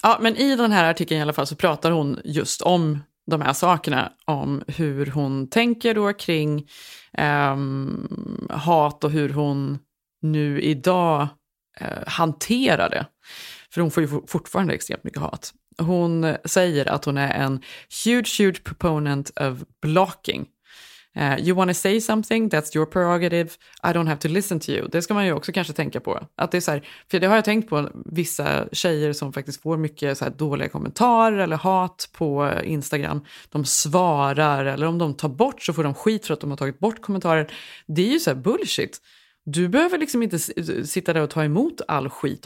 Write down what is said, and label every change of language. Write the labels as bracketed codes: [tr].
[sv] Ja, men i den här artikeln i alla fall så pratar hon just om de här sakerna, om hur hon tänker då kring hat och hur hon nu idag hanterar det. För hon får ju fortfarande extremt mycket hat. Hon säger att hon är en [en] huge, huge proponent of blocking. You want to say something? That's your prerogative. I don't have to listen to you. [sv] Det ska man ju också kanske tänka på. Att det är så här, för det har jag tänkt på vissa tjejer som faktiskt får mycket så här dåliga kommentarer eller hat på Instagram. De svarar, eller om de tar bort så får de skit för att de har tagit bort kommentarer. Det är ju så här bullshit. Du behöver liksom inte sitta där och ta emot all skit.